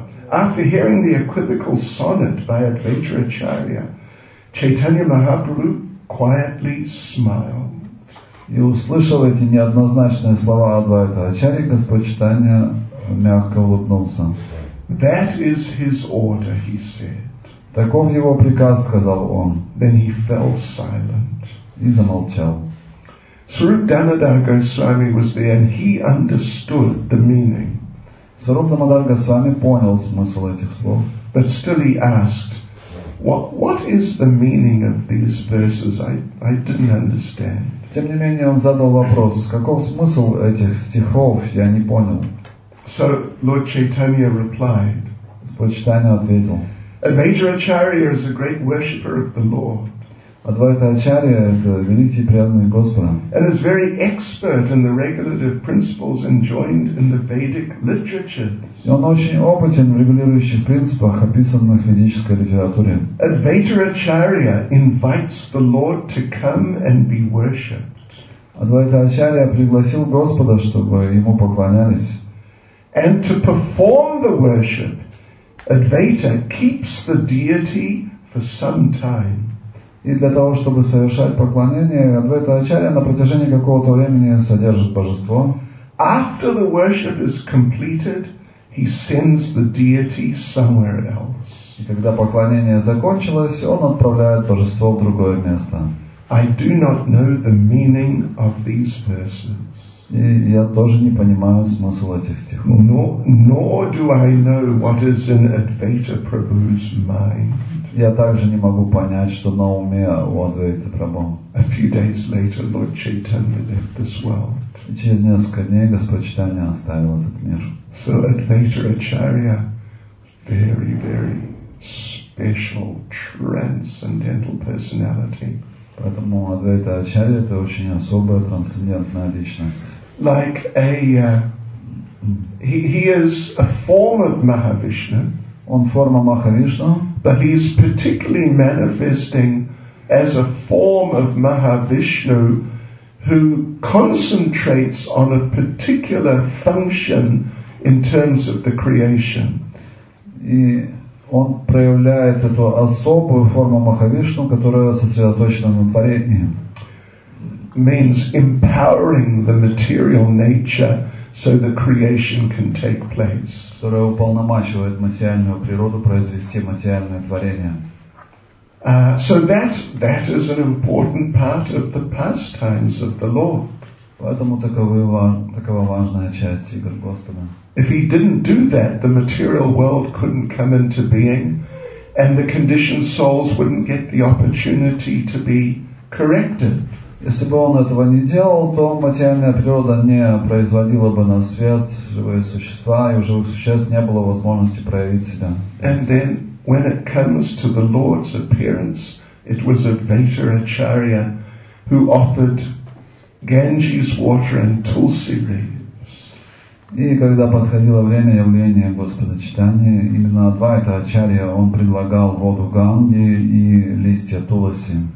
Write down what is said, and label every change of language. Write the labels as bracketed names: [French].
[English] After hearing the equivocal sonnet by Advaita Acharya, Chaitanya Mahaprabhu quietly smiled. [Russian] И услышал эти неоднозначные слова Адвайта Ачарьи, Господь Чайтанья мягко улыбнулся. [English] That is his order, he said. [Russian] Таков его приказ, сказал он. [English] Then he fell silent. [Russian] И замолчал. [English] Сваруп Дамодар Госвами was there, and he understood the meaning. [Russian] Сваруп Дамодар Госвами понял смысл этих слов. [English] But still he asked, what is the meaning of these verses? I didn't understand. [Russian] Тем не менее, он задал вопрос, каков смысл этих стихов, я не понял. [English] So, Lord Chaitanya replied, [Russian] Господь Чайтанья ответил, [English] Advaita Acharya is a great worshipper of the Lord. [Russian] Адвайта Ачарья – это великий преданный Господа. [English] And is very expert in the regulative principles enjoined in the Vedic literature. [Russian] И он очень опытен в регулирующих принципах, описанных в ведической литературе. [English] Advaita Acharya invites the Lord to come and be worshipped. [Russian] Адвайта Ачарья пригласил Господа, чтобы ему поклонялись. [English] And to perform the worship, Advaita keeps the deity for some time. [Russian] И для того, чтобы совершать поклонение, Адвайта Ачарья на протяжении какого-то времени содержит божество. [English] After the worship is completed, he sends the deity somewhere else. [Russian] И когда поклонение закончилось, он отправляет божество в другое место. [English] I do not know the meaning of these verses. [Russian] И я тоже не понимаю смысл этих стихов. [English] Nor do I know what is in Advaita Prabhu's mind. [Russian] Я также не могу понять, что на уме у Адвайты Прабху. [English] A few days later, Lord Chaitanya left this world. [Russian] И через несколько дней Господь Чайтанья оставил этот мир. [English] So Advaita Acharya, very, very special, transcendental personality. [Russian] Поэтому Адвайта Ачарья – это очень особая трансцендентная личность. [English] Like a, he is a form of Mahavishnu. [Russian] Он форма Махавишну. [English] But he is particularly manifesting as a form of Mahavishnu, who concentrates on a particular function in terms of the creation. [Russian] Он проявляет эту особую форму Махавишну, которая сосредоточена на творении. [English] Means empowering the material nature so the creation can take place. [Russian] Которая уполномачивает материальную природу произвести материальное творение. [English] So that is an important part of the pastimes of the Lord. [Russian] Поэтому такова важная часть игр Господа. [English] If he didn't do that, the material world couldn't come into being, and the conditioned souls wouldn't get the opportunity to be corrected. [Russian] Если бы он этого не делал, то материальная природа не производила бы на свет живые существа, и у живых существ не было возможности проявить себя. [English] And then, when it comes to the Lord's appearance, it was Advaita Acharya who offered Ganges water and tulsi leaves. [Russian] И когда подходило время явления Господа Чайтаньи, именно Адвайта Ачарья, он предлагал воду Ганги и листья туласи.